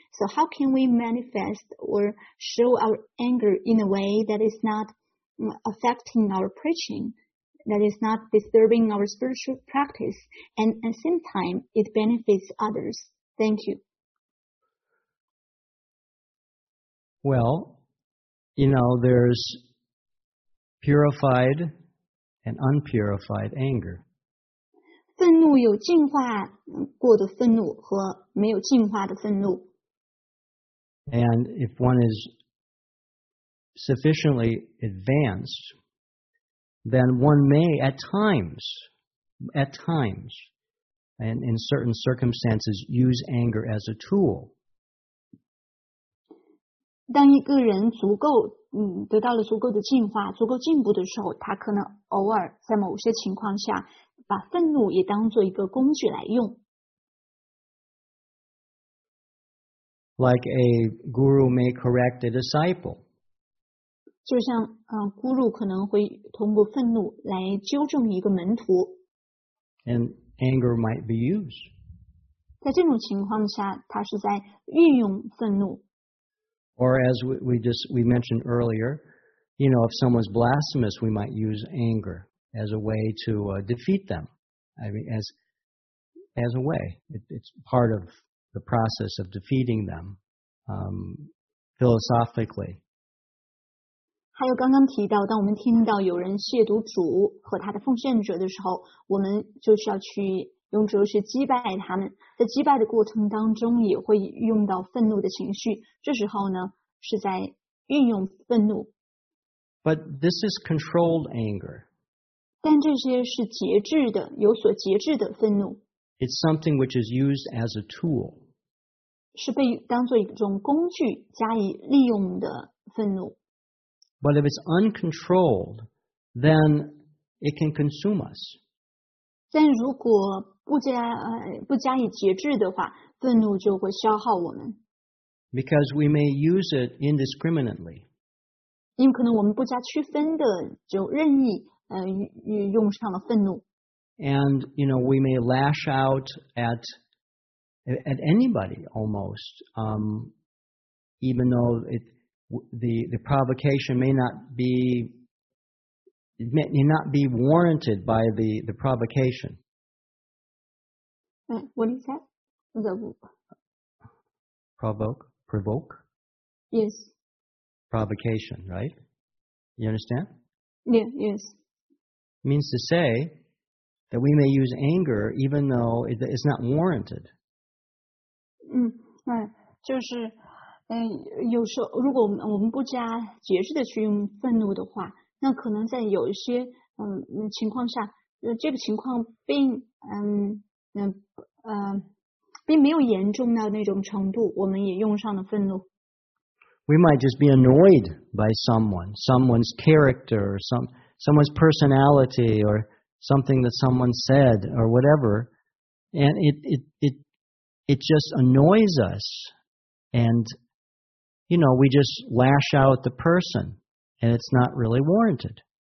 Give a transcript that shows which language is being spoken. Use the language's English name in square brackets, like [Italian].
[English] So how can we manifest or show our anger in a way that is not affecting our preaching, that is not disturbing our spiritual practice, and at the same time, it benefits others? Thank you. Well, you know, there's purified and unpurified anger. [Chinese] 愤怒有净化过的愤怒和没有净化的愤怒。 [English] And if one is sufficiently advanced, then one may at times, and in certain circumstances, use anger as a tool. [Chinese] 当一个人足够得到了足够的进化、足够进步的时候，他可能偶尔在某些情况下。把愤怒也当作一个工具来用。 [English] Like a guru may correct a disciple. [Chinese] 就像guru 可能会通过愤怒来纠正一个门徒。 [English] And anger might be used. [Chinese] 在这种情况下，他是在运用愤怒。 [English] Or as we mentioned earlier, you know, if someone's blasphemous, we might use anger. As a way to defeat them, I mean, as a way, it's part of the process of defeating them philosophically. [Chinese] 还有刚刚提到，当我们听到有人亵渎主和他的奉献者的时候，我们就需要去用哲学击败他们。在击败的过程当中，也会用到愤怒的情绪。这时候呢，是在运用愤怒。 [English] But this is controlled anger. [Chinese] 但这些是节制的，有所节制的愤怒。 [English] It's something which is used as a tool. [Chinese] 是被当作一种工具加以利用的愤怒。 [English] But if it's uncontrolled, then it can consume us. [Chinese] 但如果不加以节制的话，愤怒就会消耗我们。 [English] Because we may use it indiscriminately. [Chinese] 因为可能我们不加区分的就任意用上了愤怒。 [English] And, you know, we may lash out at anybody almost, even though the provocation may not be warranted by the provocation. What is that? The provoke? Yes. Provocation, right? You understand? Yeah, yes. Means to say that we may use anger even though it's not warranted. [Chinese] 就是有时候如果我们不加节制的去用愤怒的话，那可能在有一些情况下，这个情况并没有严重到那种程度，我们也用上了愤怒。 [English] We might just be annoyed by someone's character, someone's personality, or something that someone said, or whatever, and it just annoys us, and you know, we just lash out at the person, and it's not really warranted.